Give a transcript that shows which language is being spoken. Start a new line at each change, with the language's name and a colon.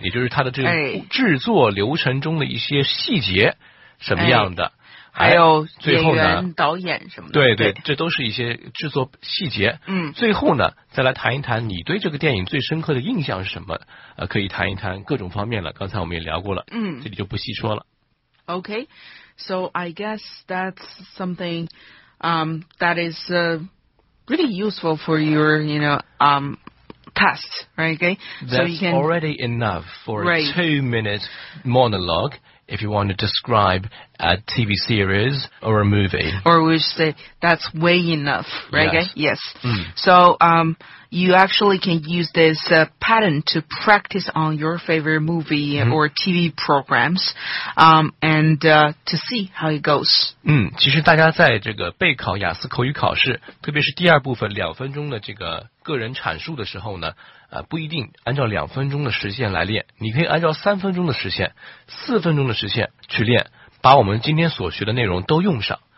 Chinese: 也就是它的这个制作流程中的一些细节什么样的，还有最后呢导演什么的，对对，这都是一些制作细节。最后呢再来谈一谈你对这个电影最深刻的印象是什么，可以谈一谈各种方面了，刚才我们也聊过了，这里就不细说了。
English: OK, so I guess that's somethingthat is really useful for your, you know, test, right? Okay? That's so you can, already enough for a 2-minute monologue if you want to describe a TV series or a movie. Or we should say, that's way enough, right? Yes. Yes. Mm. So, you actually can use this pattern to practice on your favorite movie mm-hmm. or TV programs, and to see how it goes.
Chinese: 其实大家在这个备考雅思口语考试，特别是第二部分两分钟的这个个人阐述的时候呢，不一定按照两分钟的时限来练，你可以按照三分钟的时限、四分钟的时限去练，把我们今天所学的内容都用上。